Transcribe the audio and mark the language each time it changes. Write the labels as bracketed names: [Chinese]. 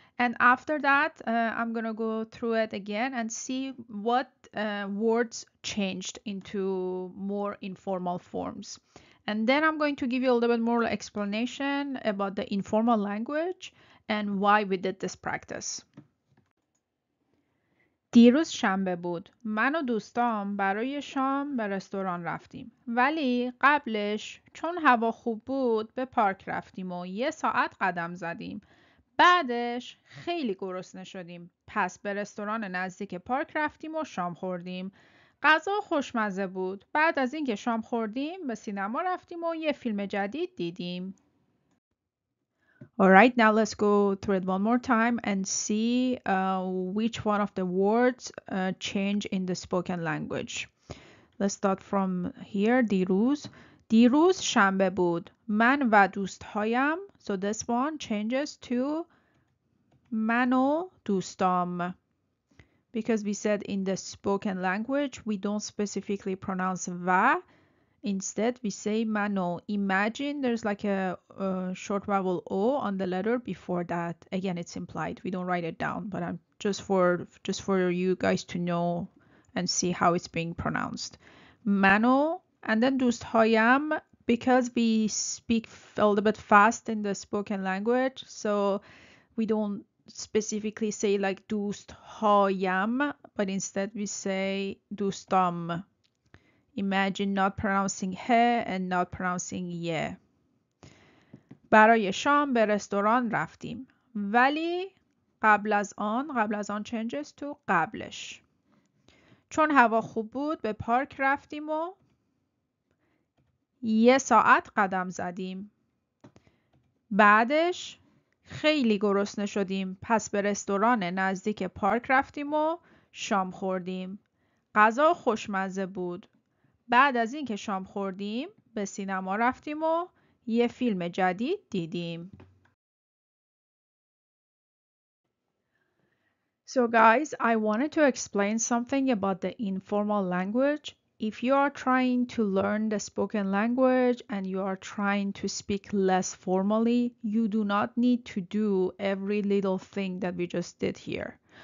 [English] And after that, I'm going to go through it again and see what words changed into more informal forms. And then I'm going to give you a little bit more explanation about the informal language and why we did this practice. [Persian] دیروز شنبه بود. من و دوستام برای شام به رستوران رفتیم. ولی قبلش چون هوا خوب بود به پارک رفتیم و یه ساعت قدم زدیم. بعدش خیلی گرسنه شدیم. پس به رستوران نزدیک پارک رفتیم و شام خوردیم. غذا خوشمزه بود. بعد از اینکه شام خوردیم به سینما رفتیم و یه فیلم جدید دیدیم. [English] Alright, now let's go through it one more time and see which one of the words change in the spoken language. Let's start from here. [Persian] دیروز. دیروز شنبه بود. من و دوستهایم. [English] So this one changes to [Persian] من و دوستام. [English] Because we said in the spoken language, we don't specifically pronounce و. Instead, we say mano. Imagine there's like a short vowel O on the letter before that. Again, it's implied. We don't write it down, but I'm just for you guys to know and see how it's being pronounced. Mano. And then dusthayam, because we speak a little bit fast in the spoken language, so we don't specifically say like dusthayam, but instead we say dustam. Imagine not pronouncing he and not pronouncing ye. [Persian] برای شام به رستوران رفتیم. ولی قبل از آن [English] changes to [Persian] قبلش. چون هوا خوب بود به پارک رفتیم و یه ساعت قدم زدیم. بعدش خیلی گرسنه شدیم. پس به رستوران نزدیک پارک رفتیم و شام خوردیم. غذا خوشمزه بود. بعد از اینکه شام خوردیم به سینما رفتیم و یه فیلم جدید دیدیم. [English] So guys, I wanted to explain something about the informal language. If you are trying to learn the spoken language and you are trying to speak less formally, you do not need to do every little thing that we just did here.